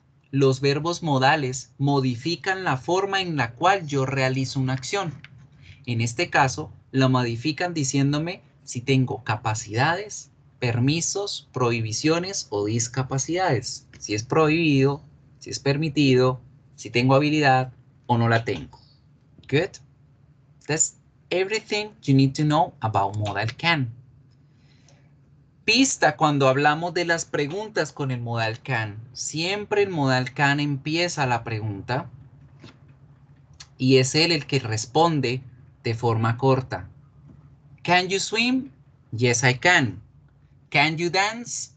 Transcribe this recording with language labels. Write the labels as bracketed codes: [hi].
[es] Los verbos modales modifican la forma en la cual yo realizo una acción. En este caso, la modifican diciéndome si tengo capacidades, permisos, prohibiciones o discapacidades. Si es prohibido, si es permitido, si tengo habilidad o no la tengo. [en] Good. That's everything you need to know about modal can. [es] Pista cuando hablamos de las preguntas con el modal can. Siempre el modal can empieza la pregunta y es él el que responde de forma corta. [en] Can you swim? Yes, I can. Can you dance?